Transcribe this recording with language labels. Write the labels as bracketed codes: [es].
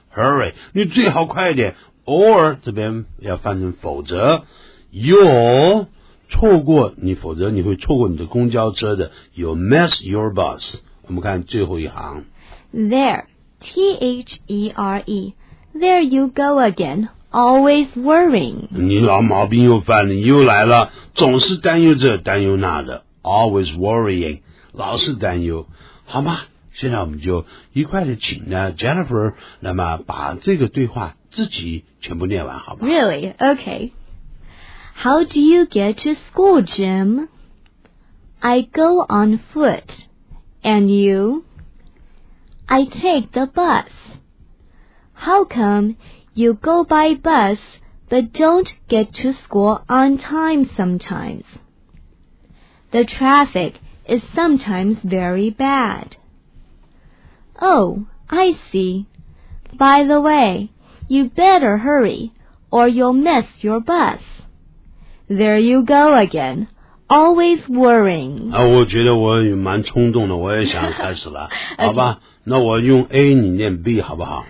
[zh] Hurry， 你最好快一点。Or 这边要翻成否则 ，You'll 错过你，否则你会错过你的公交车的。 [en] You'll miss your bus。 [zh] 我们看最后一行。 [en] There, T H E R E, there you go again. Always worrying. [zh] 你老毛病又犯了，你又来了，总是担忧这担忧那的。 [en] Always worrying, [zh] 老是担忧，好吗？现在我们就愉快地请呢 Jennifer， 那么把这个对话自己全部念完，好吗 [en] ？Really? Okay. How do you get to school, Jim? I go on foot. And you? I take the bus. How come? You go by bus, but don't get to school on time sometimes. The traffic is sometimes very bad. Oh, I see. By the way, you better hurry, or you'll miss your bus. There you go again. Always worrying. [zh] 啊，我觉得我蛮冲动的，我也想开始了。 [en] okay. [zh] 好吧，那我用 A 你念 B 好不好